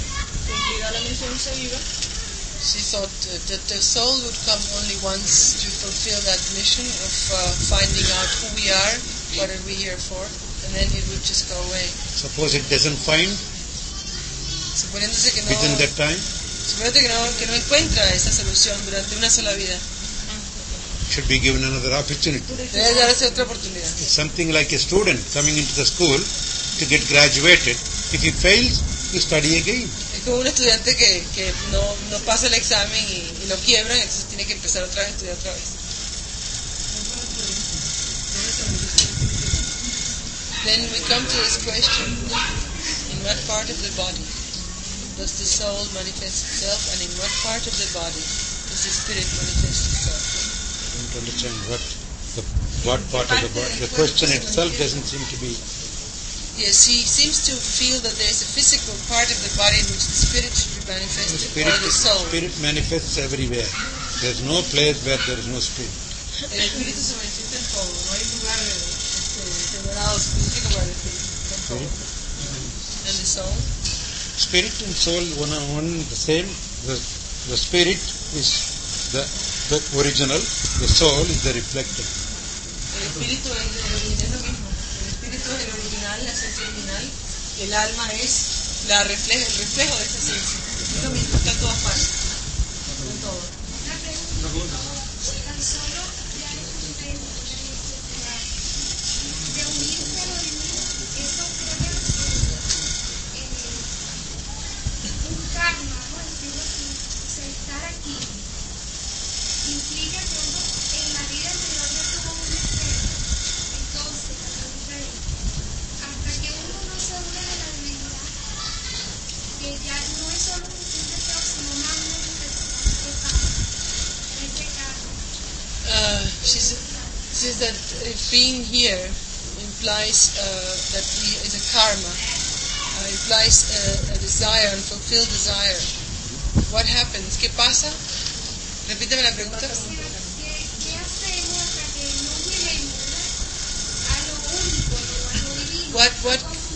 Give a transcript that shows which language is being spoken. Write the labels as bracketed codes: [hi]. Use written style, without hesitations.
[en] She thought that the soul would come only once to fulfill that mission of finding out who we are, what are we here for, and then it would just go away. Suppose it doesn't find within that time? [es] Suponiéndose que no encuentra esa solución durante una sola vida. [en] Should be given another opportunity. [es] Debe darse otra oportunidad. [en] It's something like a student coming into the school to get graduated. If he fails, he study again. [es] Es como un estudiante que no pasa el examen y lo quiebran, entonces tiene que empezar otra vez a estudiar otra vez. [en] Then we come to this question: in what part of the body does the soul manifest itself, and in what part of the body does the spirit manifest itself? Understand what part of the body. The question itself doesn't seem to be. Yes, he seems to feel that there is a physical part of the body in which the spirit should be manifested, the spirit, or the soul. Spirit manifests everywhere. There is no place where there is no spirit. [es] El espíritu se manifiesta en todo. No hay lugar separado específicamente [en] And the soul? Spirit and soul, one the same. The spirit is the original, the soul is the reflected. [es] El espíritu es lo mismo. El espíritu es el original, la esencia original. El alma es la refleja, el reflejo de esa esencia. Es lo mismo, está en todas partes. Está en todo. Una pregunta. Tan solo ya es un tema de unirse a lo divino, eso crea un karma, ¿no? Es decir, o sea, estar aquí implica que uno en la vida anterior ya tuvo un efecto. Entonces, la pregunta es, hasta que uno no se une de la divinidad, que ya no es solo un deseo, sino una manifestación, ese karma. [en] She says that being here implies that he is a karma, implies a desire, a fulfilled desire. What happens? [es] ¿Qué pasa? Repíteme la pregunta. ¿Qué hacemos hasta que no lleguemos a lo único, a lo divino?